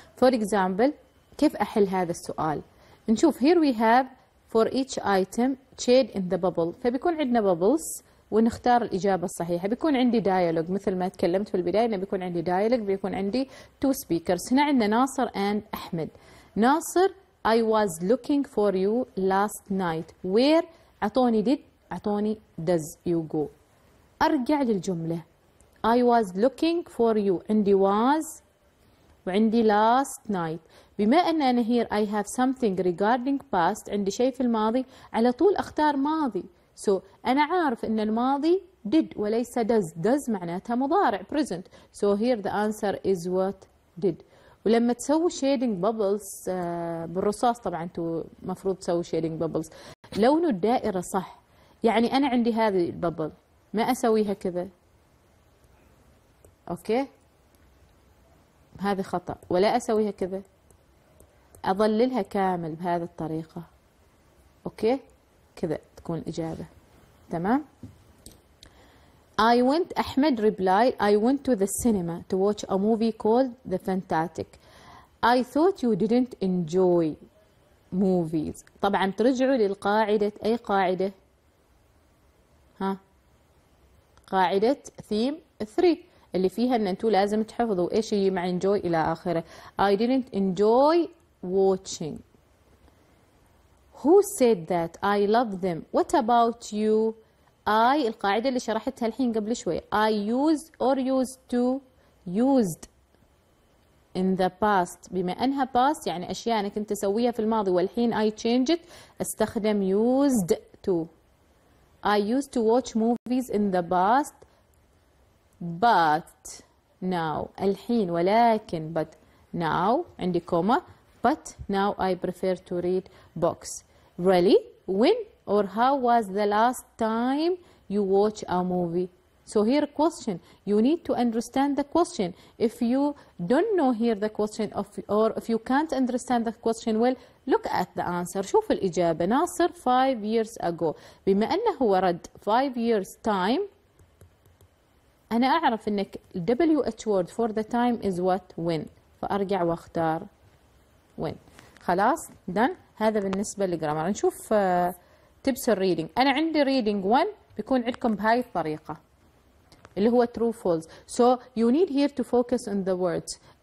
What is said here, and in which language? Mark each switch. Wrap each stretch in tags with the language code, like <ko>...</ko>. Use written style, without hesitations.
<en>For example كيف أحل هذا السؤال؟ نشوف here we have for each item shade in the bubble، فبيكون عندنا bubbles ونختار الإجابة الصحيحة.</en> <ar>بيكون عندي dialogue مثل ما تكلمت في البداية، إنه بيكون عندي dialogue، بيكون عندي two speakers. هنا عندنا ناصر and أحمد.</ar> <en>ناصر I was looking for you last night. Where عطوني did عطوني does you go. أرجع للجملة I was looking for you، عندي was وعندي last night.</en> <ar>بما أن أنا here I have something regarding past، عندي شيء في الماضي، على طول أختار ماضي. So أنا عارف أن الماضي did وليس does.</ar> <en>does معناتها مضارع present. So here the answer is what did.</en> <ar>ولما تسوي shading bubbles بالرصاص، طبعا أنتوا مفروض تسوي shading bubbles، لونه الدائرة صح. يعني أنا عندي هذه البابل ما أسويها كذا. أوكي هذا خطأ، ولا أسويها كذا، أظللها كامل بهذه الطريقة. أوكي كذا تكون الإجابة تمام.</ar> <en>I went أحمد reply I went to the cinema to watch a movie called The Fantastic. I thought you didn't enjoy movies.</en> <ar>طبعا ترجعوا للقاعدة، أي قاعدة؟ ها قاعدة theme 3 اللي فيها ان انتو لازم تحفظوا ايش هي مع enjoy الى اخره.</ar> <en>I didn't enjoy watching. Who said that? I love them. What about you?</en> <ar>I القاعدة اللي شرحتها الحين قبل شوي.</ar> <en>I used or used to used in the past.</en> <ar>بما انها past يعني اشياء انا كنت اسويها في الماضي والحين I change it. استخدم used to.</ar> <en>I used to watch movies in the past. But now الحين ولكن but now عندي comma but now I prefer to read books. Really when or how was the last time you watch a movie. So here question you need to understand the question. If you don't know here the question of or if you can't understand the question well look at the answer.</en> <ar>شوف الإجابة.</ar> <en>ناصر 5 years ago بما أنه ورد 5 years time أنا أعرف أنك WH word for the time is what when فأرجع وأختار when.</en> <ar>خلاص done. هذا بالنسبة للجرامر. نشوف tips reading. أنا عندي reading one بيكون عندكم بهاي الطريقة اللي هو true false.</ar> <en>So you need here to focus on the words.</en>